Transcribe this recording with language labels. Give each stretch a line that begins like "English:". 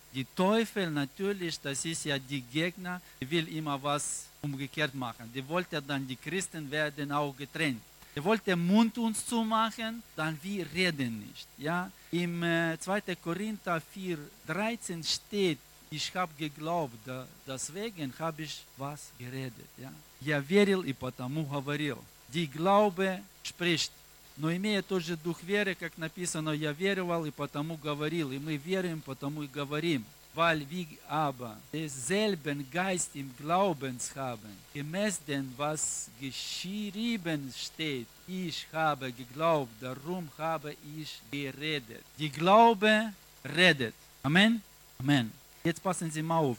German: Die Teufel natürlich, das ist ja die Gegner, die will immer was umgekehrt machen. Die wollte dann, die Christen werden auch getrennt. Die wollte Mund uns zumachen, dann wir reden nicht. Ja? Im 2. Korinther 4, 13 steht, ich habe geglaubt, da, deswegen habe ich was geredet. Ja?
Russian: Я верил и потому говорил.
German: Die Glaube spricht.
Russian: Но имея тот же дух веры, как написано, я веровал и потому говорил. И мы веруем, потому и говорим.
German: Weil wir aber denselben Geist im Glauben haben, gemäß dem, was geschrieben steht, ich habe geglaubt, darum habe ich geredet. Die Glaube redet. Amen? Amen. Jetzt passen Sie mal auf.